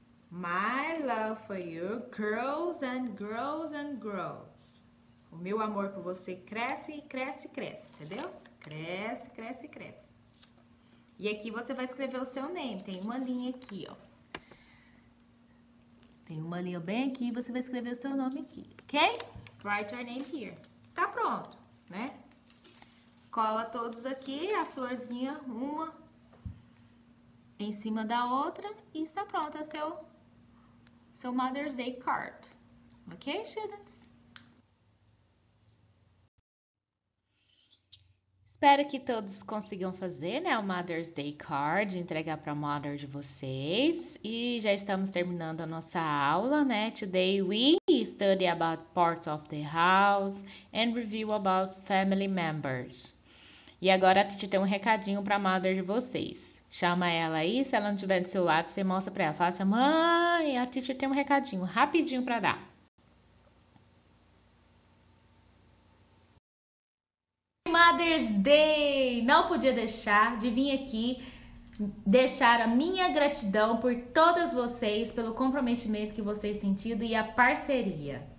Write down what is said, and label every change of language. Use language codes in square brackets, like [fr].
[en] My love for you grows and grows and grows. [pt] O meu amor por você cresce e cresce e cresce, entendeu? Cresce, cresce e cresce. E aqui você vai escrever o seu nome. Tem uma linha aqui, ó. Tem uma linha bem aqui e você vai escrever o seu nome aqui, ok? [en] Write your name here. [pt] Tá pronto, né? Cola todos aqui, a florzinha, uma em cima da outra e está pronto o seu... [en] So Mother's Day card. Okay, students? [pt] Espero que todos consigam fazer, né, o Mother's Day card, entregar para a mother de vocês. E já estamos terminando a nossa aula, né? [en] Today we study about parts of the house and review about family members. [pt] E agora a Titi tem um recadinho para a mother de vocês. Chama ela aí, se ela não tiver do seu lado, você mostra para ela. Fala assim, mãe, a Titi tem um recadinho rapidinho para dar. Mother's Day! Não podia deixar de vir aqui deixar a minha gratidão por todas vocês, pelo comprometimento que vocês têm tido e a parceria.